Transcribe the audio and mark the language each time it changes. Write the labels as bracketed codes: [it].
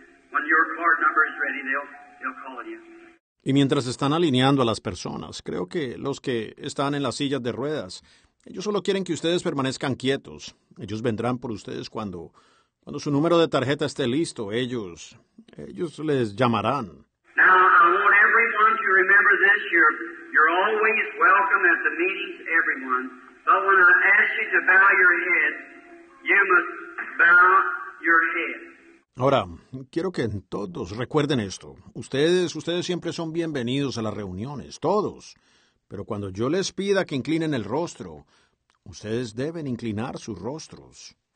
[en] When your card number is ready, they'll call you. [es] Y mientras están alineando a las personas, creo que los que están en las sillas de ruedas, ellos solo quieren que ustedes permanezcan quietos. Ellos vendrán por ustedes cuando su número de tarjeta esté listo. Ellos les llamarán. [en] Now, I want everyone to remember this. You're always welcome at the meetings, everyone. But when I ask you to bow your head, you must bow your head. [es] Ahora, quiero que todos recuerden esto. Ustedes siempre son bienvenidos a las reuniones, todos. Pero cuando yo les pida que inclinen el rostro, ustedes deben inclinar sus rostros.